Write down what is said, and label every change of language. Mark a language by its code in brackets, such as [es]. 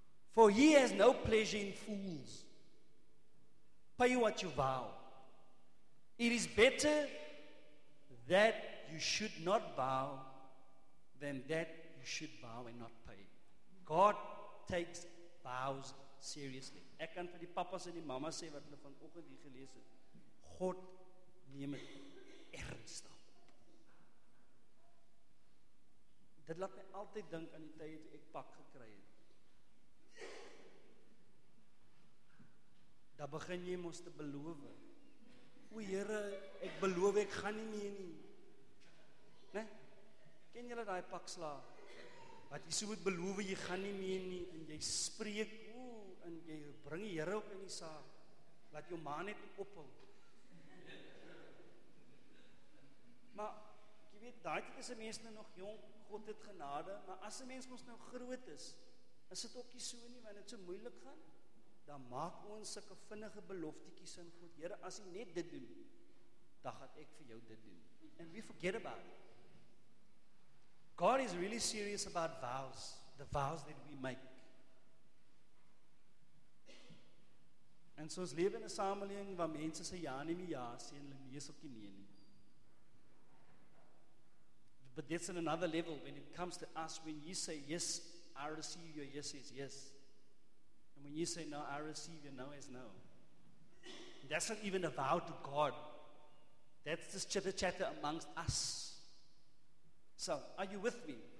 [en] For he has no pleasure in fools. Pay what you vow. It is better that you should not vow than that you should vow and not pay. God takes vows seriously. [af] Ek kan vir die papas en die mamas sê wat hulle vanoggend hier gelees het. God neem dit ernstig. Dit laat my altyd dink aan die tyd toe ek pak gekry het. Daar begin jy mos te beloof. O Here, ek beloof ek gaan nie meer nie. Né? Ken julle daai pak sla? Wat jy so moet beloof jy gaan nie meer nie, en jy spreek, o, en jy bring die Here ook in die saak. Laat jou ma net ophou. Maar jy weet, daai tyd is 'n mens nou nog jong, God het genade, maar as 'n mens mos nou groot is, is dit ook nie so nie, want dit so moeilik gaan. Dan maak ons sulke vinnige beloftetjies in God. Here, as jy net dit doen, dan gaan ek vir jou dit doen. [en] And we forget about it. God is really serious about vows, the vows that we make. [af] En so ons leef in 'n samelewing waar mense sê ja nie meer ja, sê hulle nee sê ook nie nie. [en] But that's on another level when it comes to us. When you say yes, I receive your yes is yes. And when you say no, I receive your no is no. That's not even a vow to God. That's just chitter chatter amongst us. So, are you with me?